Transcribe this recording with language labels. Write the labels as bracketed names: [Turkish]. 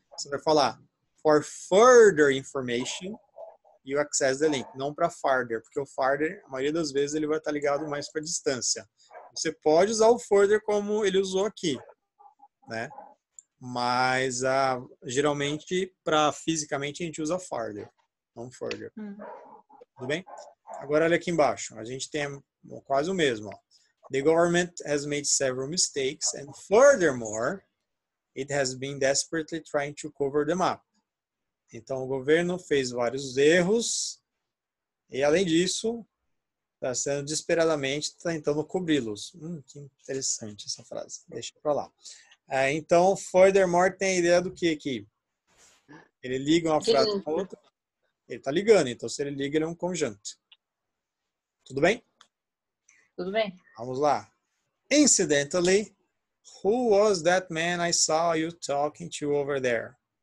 [Portuguese] Você vai falar [English] for further information, you access the link, [Portuguese] não para farther, porque o farther, a maioria das vezes, ele vai estar ligado mais para distância. Você pode usar o further como ele usou aqui, né? Mas geralmente, para fisicamente, a gente usa farther, não further. Tudo bem? Agora, olha aqui embaixo. A gente tem quase o mesmo. [English] The government has made several mistakes and furthermore, it has been desperately trying to cover them up. [Portuguese] Então, o governo fez vários erros e, além disso, está sendo desesperadamente tentando cobri-los. Que interessante essa frase. Deixa para lá. Então, furthermore tem a ideia do que aqui? Ele liga uma frase com a outra. Ele está ligando. Então, se ele liga, ele é um conjunto. Tudo bem? Tudo bem. Vamos lá. [English] Incidentally, who was that man I saw you talking to over there?